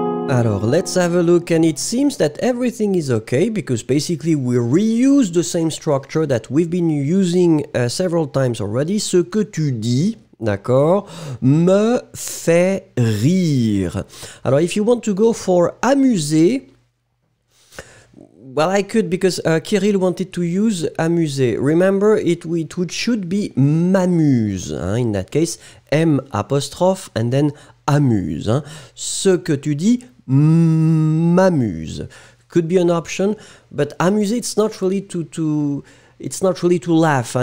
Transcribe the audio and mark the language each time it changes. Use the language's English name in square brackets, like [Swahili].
[English] Alors, let's have a look, and it seems that everything is okay, because basically we reuse the same structure that we've been using several times already. [French] Ce que tu dis, d'accord, me fait rire. [English] Alors, if you want to go for amuser, well, I could, because Kirill wanted to use amuser. Remember, it should be m'amuse, hein, in that case, M apostrophe, and then amuse. Hein. [French] Ce que tu dis m'amuse [English] could be an option, but amuser, it's not really to laugh.